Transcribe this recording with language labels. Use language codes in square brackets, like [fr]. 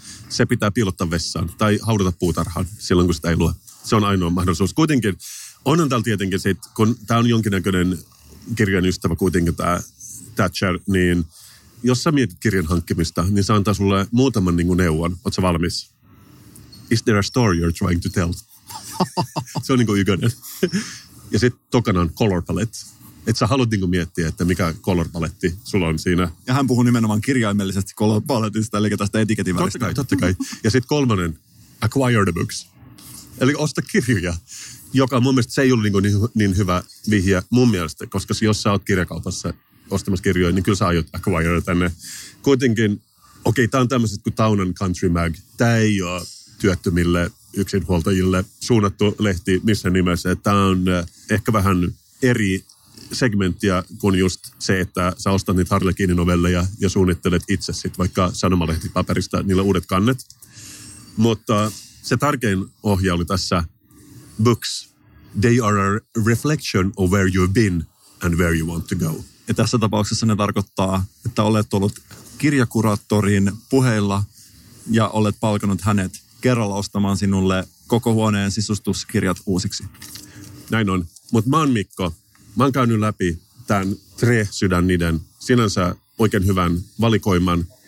[fi] Se pitää piilottaa vessaan tai haudata puutarhaan silloin, kun sitä ei lue. se on ainoa mahdollisuus. Kuitenkin onhan täällä tietenkin se, että kun tämä on jonkinnäköinen kirjan ystävä kuitenkin tämä Thatcher, niin jos sä mietit kirjan hankkimista, niin se antaa sulle muutaman niin kuin neuvon. Ootko sä valmis? [en] Is there a story you're trying to tell? [fi] Se on niin kuin ykönen. Ja sitten tokana on color palette. Että sä haluat niin kuin miettiä, että mikä color paletti sulla on siinä. Ja hän puhuu nimenomaan kirjaimellisesti color palettista, eli tästä etiketin väristä. Totta kai, totta kai. Ja sitten kolmannen, [en] acquire the books. [fi] Eli osta kirjoja, joka mun mielestä se ei ole niin, niin hyvä vihje mun mielestä, koska jos sä oot kirjakaupassa ostamassa kirjoja, niin kyllä sä aiot acquire tänne. Kuitenkin, okei, tää on tämmöiset kuin Town and Country Mag. Tää ei ole työttömille yksinhuoltajille suunnattu lehti missä nimessä. Tää on ehkä vähän eri segmenttiä kuin just se, että sä ostat niitä Harlekinin novelleja ja suunnittelet itse sit vaikka sanomalehtipaperista niillä uudet kannet. Mutta se tärkein ohje oli tässä books. [en] They are a reflection of where you've been and where you want to go. [fi] Ja tässä tapauksessa ne tarkoittaa, että olet ollut kirjakuraattorin puheilla ja olet palkannut hänet kerralla ostamaan sinulle koko huoneen sisustuskirjat uusiksi. Näin on. Mutta mä oon Mikko. Mä oon käynyt läpi tämän Tre sydän niiden sinänsä oikein hyvän valikoiman.